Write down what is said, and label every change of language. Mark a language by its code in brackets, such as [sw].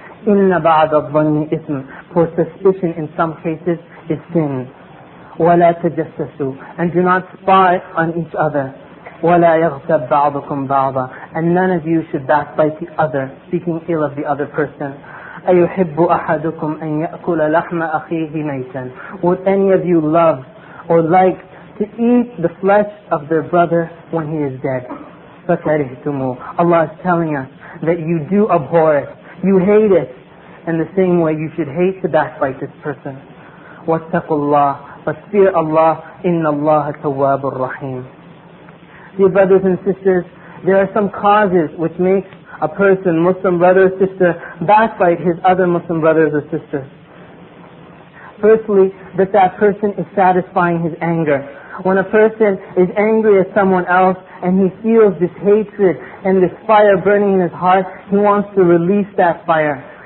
[ar] Inna ba'da al-dhanni ism. [en] For suspicion in some cases is sin. [ar] وَلَا تَجَسَّسُوا. [en] And do not spy on each other. [ar] وَلَا يَغْتَبْ بَعْضُكُمْ بَعْضًا. [en] And none of you should backbite the other, speaking ill of the other person. [ar] أَيُحِبُّ أَحَدُكُمْ أَن يَأْكُلَ لَحْمَ أَخِيهِ مَيْتًا. [en] Would any of you love or like to eat the flesh of their brother when he is dead? [ar] فَكَرِهْتُمُوا. [en] Allah is telling us that you do abhor it, you hate it, in the same way you should hate to backbite this person. [ar] وَاتَّقُوا اللَّهِ. [en] But fear Allah, [ar] إِنَّ اللَّهَ تَوَّابُ الرَّحِيمُ. [en] Dear brothers and sisters, there are some causes which make a person, Muslim brother or sister, backbite his other Muslim brothers or sisters. Firstly, that person is satisfying his anger. When a person is angry at someone else and he feels this hatred and this fire burning in his heart, he wants to release that fire.